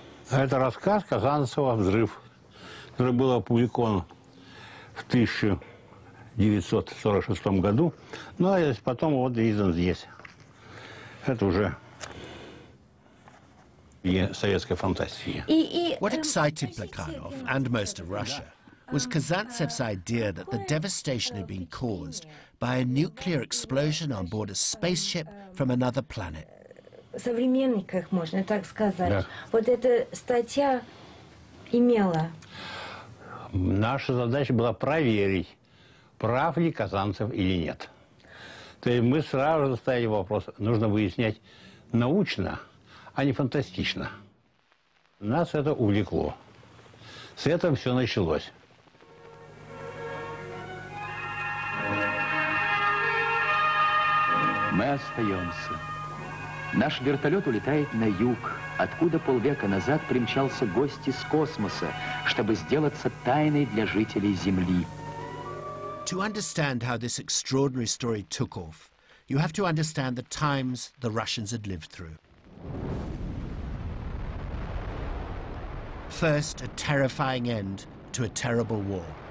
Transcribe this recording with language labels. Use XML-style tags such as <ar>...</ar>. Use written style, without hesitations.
<ru>Это рассказ Казанцева «Взрыв», который был опубликован в 1946 году. Ну, а потом вот издан здесь. Это уже советская фантастика.</ru> <en>What excited Plekhanov and most of Russia was Казанцев's idea that the devastation had been caused by a nuclear explosion on board a spaceship from another planet.</en> <ru>Современниках, можно так сказать. Да. Вот эта статья имела. Наша задача была проверить, прав ли Казанцев или нет. То есть мы сразу же ставили вопрос, нужно выяснять научно, а не фантастично. Нас это увлекло. С этого все началось. Мы остаемся. Наш вертолет улетает на юг, откуда полвека назад примчался гость из космоса, чтобы сделаться тайной для жителей Земли.</ru> <en>To understand how this extraordinary story took off, you have to understand the times the Russians had lived through. First, a terrifying end to a terrible war.</en>